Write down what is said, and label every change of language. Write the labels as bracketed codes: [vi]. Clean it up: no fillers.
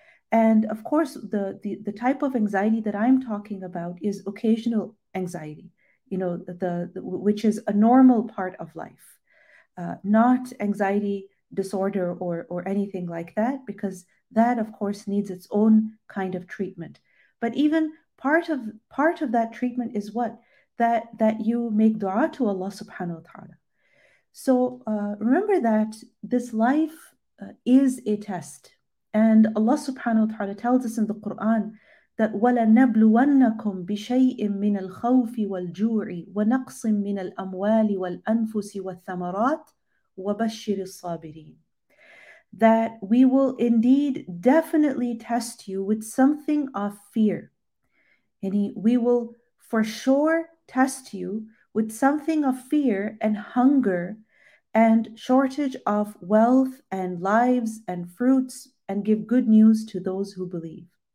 [en] And of course, the type of anxiety that I'm talking about is occasional anxiety, which is a normal part of life, not anxiety disorder or anything like that, because that, of course, needs its own kind of treatment. But even part of that treatment is what? That you make dua to Allah subhanahu wa ta'ala. So remember that this life is a test. And Allah subhanahu wa ta'ala tells us in the Quran that [ar] وَلَنَبْلُوَنَّكُمْ بِشَيْءٍ مِّنَ الْخَوْفِ وَالْجُوعِ وَنَقْصٍ مِّنَ الْأَمْوَالِ وَالْأَنفُسِ وَالثَّمَرَاتِ وَبَشِّرِ الصَّابِرِينَ. [en] That we will indeed definitely test you with something of fear. We will for sure test you with something of fear and hunger and shortage of wealth and lives and fruits and give good news to those who believe.